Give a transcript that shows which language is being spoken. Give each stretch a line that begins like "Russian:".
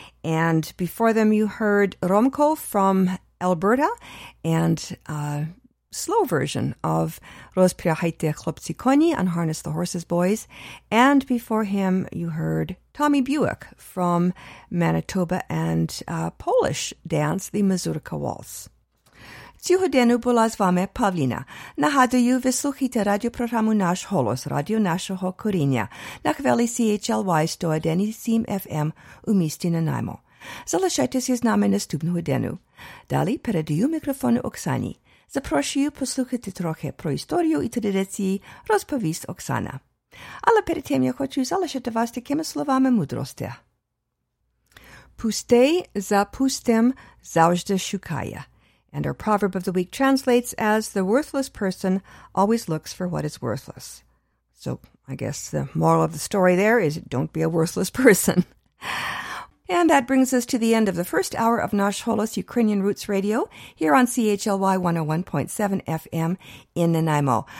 English: And before them, you heard Romko from Alberta and slow version of Rozpirahajte Chlopci Koni, Unharness the Horses, Boys. And before him, you heard Tommy Buick from Manitoba and Polish dance, the Mazurka Waltz.
Ukrainian: Цього дня була з вами Павліна. Нагадую, ви слухаєте радіопрограму «Наш голос», радіо нашого коріння, на хвилі CHLY 101.7 FM у місті Нанаймо. Залишайтеся з нами наступного дня. Далі передаю мікрофон Оксані. Запрошую послухати трохи про історію і традиції, розповість Оксана. Але перед тим я хочу залишити вас такими словами мудрості. Пустий за пустим завжди шукає.
English: And our proverb of the week translates as, the worthless person always looks for what is worthless. So I guess the moral of the story there is, don't be a worthless person. And that brings us to the end of the first hour of Nash Holos Ukrainian Roots Radio here on CHLY 101.7 FM in Nanaimo.